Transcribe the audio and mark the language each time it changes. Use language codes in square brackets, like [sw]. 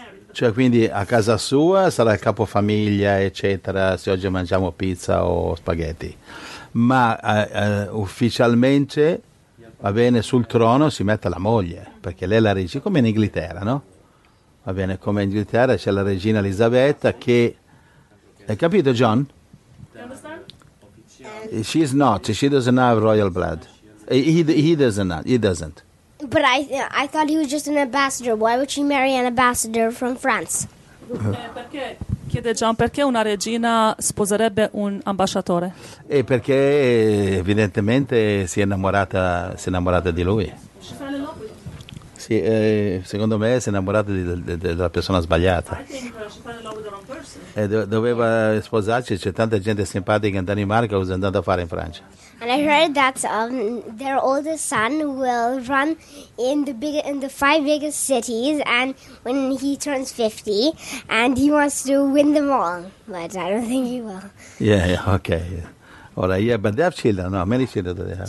[it] Cioè quindi a casa sua sarà il capofamiglia, eccetera, se oggi mangiamo pizza o spaghetti. Ma ufficialmente, va bene, sul trono si mette la moglie, perché lei è la regina, come in Inghilterra, no? Va bene, come in Inghilterra c'è la regina Elisabetta che... Hai capito, John? [en] She doesn't have royal blood. He doesn't. But I thought he was just an ambassador. Why would she marry an ambassador from France? [it] Perché chiede John, perché una regina sposerebbe un ambasciatore? E perché evidentemente si è innamorata di lui. Sì, secondo me si è innamorata della persona sbagliata. E doveva sposarci, c'è tanta gente simpatica in Danimarca, cosa è andato a fare in Francia? [en] And I heard that their oldest son will run in the big in the five biggest cities, and when he turns 50, and he wants to win them all, but I don't think he will. Yeah. Okay. [it] Ora, [en] yeah, but they have children. No, many children do they have?